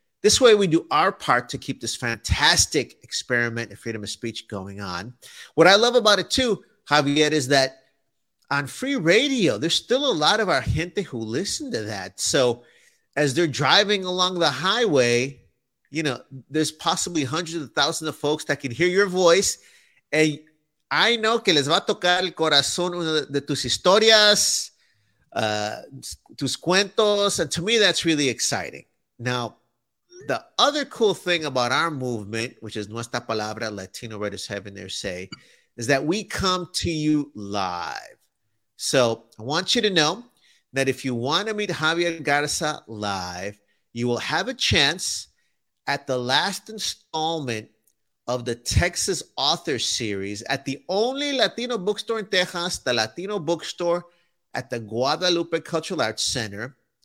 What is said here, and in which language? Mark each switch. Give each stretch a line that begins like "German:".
English: This way, we do our part to keep this fantastic experiment of freedom of speech going on. What I love about it too, Javier, is that on free radio, there's still a lot of our gente who listen to that. So as they're driving along the highway, you know, there's possibly hundreds of thousands of folks that can hear your voice. And I know
Spanish: que les va a tocar el corazón una de tus historias, tus cuentos.
English: And to me, that's really exciting. Now, the other cool thing about our movement, which is Nuestra Palabra, Latino writers having their say, is that we come to you live. So I want you to know that if you want to meet Javier Garza live, you will have a chance at the last installment of the Texas Author Series at the only Latino bookstore in Texas, the Latino Bookstore at the Guadalupe Cultural Arts Center.